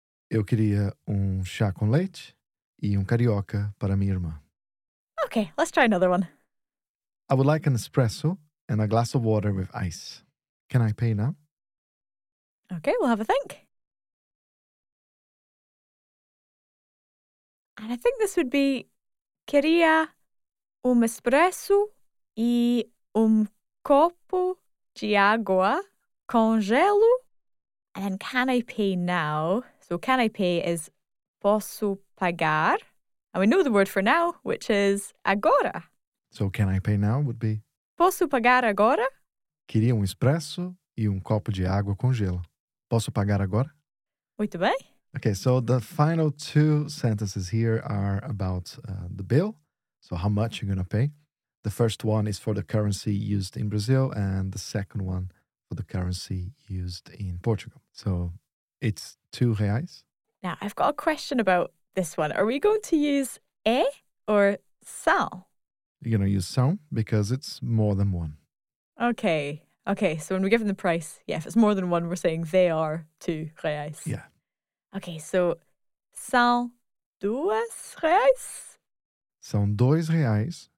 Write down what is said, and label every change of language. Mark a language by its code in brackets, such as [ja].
[pt] Eu queria chá com leite e carioca para minha irmã. [en] Okay, let's try another one. I would like an espresso and a glass of water with ice. Can I pay now? Okay, we'll have a think. And I think this would be, [pt] queria espresso e copo de água com gelo. [en] And then can I pay now? So can I pay is [pt] posso pagar. [en] And we know the word for now, which is agora. So can I pay now would be [pt] posso pagar agora? Queria espresso e copo de água com gelo. Posso pagar agora? Muito bem. [en] Okay, so the final two sentences here are about the bill. So how much you're going to pay. The first one is for the currency used in Brazil and the second one for the currency used in Portugal. So it's R$2. Now, I've got a question about this one. Are we going to use é or são? You're going to use são because it's more than one. Okay. Okay. So when we give them the price, yeah, if it's more than one, we're saying they are R$2. Yeah. Okay. So são R$2? [pt] São R$2.